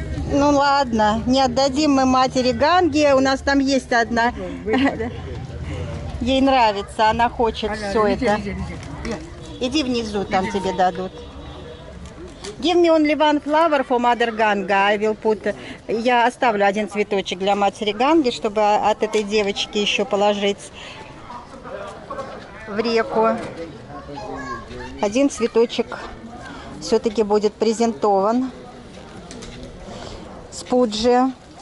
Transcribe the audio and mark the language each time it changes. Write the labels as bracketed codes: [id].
[ru] Ну ладно, не отдадим мы матери Ганге, у нас там есть одна. Ей нравится, она хочет все это. Иди внизу, там тебе дадут. [en] Give me only one flower for mother Ganga. I will put... [ru] Я оставлю один цветочек для матери Ганги, чтобы от этой девочки еще положить в реку. Один цветочек все-таки будет презентован с пуджи.